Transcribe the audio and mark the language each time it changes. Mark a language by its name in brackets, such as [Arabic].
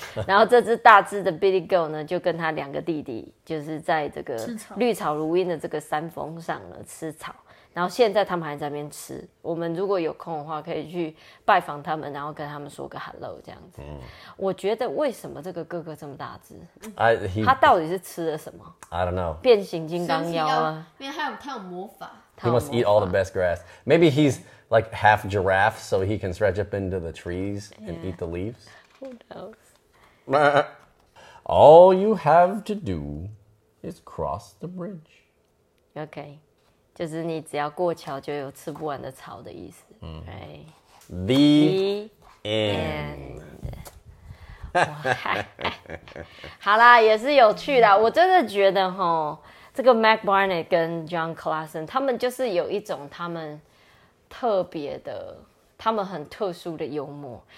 [Chinese] 然后这只大只的 Billy Goat 呢，就跟他两个弟弟，就是在这个绿草如茵的这个山峰上呢吃草。然后现在他们还在那边吃，我们如果有空的话可以去拜访他们，然后跟他们说个 hello 这样子。我觉得为什么这个哥哥这么大只，他到底是吃了什么？ [English] I don't know. [Chinese] 变形金刚腰啊，因为他有魔法。 [English] He must eat all the best grass. Maybe he's like half giraffe, so he can stretch up into the trees and eat the leaves. Who knows? All you have to do is cross the bridge. Okay. [Chinese] 就是你只要过桥就有吃不完的草的意思。 [English] Right. The end. [Chinese] 好啦，也是有趣的。我真的觉得齁，这个 Mac Barnett 跟 John Clason 他们就是有一种他们特别的，他们很特殊的幽默。